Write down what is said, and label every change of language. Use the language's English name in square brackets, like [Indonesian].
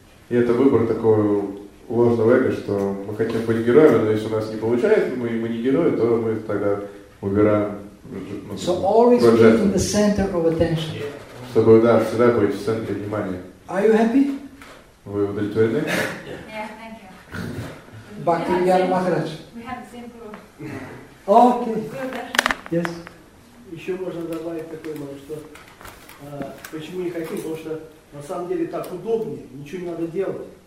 [Russian] И это выбор такой ложного эго, что мы хотим быть героями, но если у нас не получается, мы не герои, то мы тогда убираем. [English] So always be in the center of attention. [Russian] Чтобы, да, всегда быть в центре внимания. [English] Are you happy? [Russian] Вы удовлетворены? [English] Yeah, thank you. Bhakti Vihara Maharaj. We have the same group. Okay. Yes. [Russian] Еще можно добавить такой момент, что почему не хотим, потому что на самом деле так удобнее, ничего не надо делать.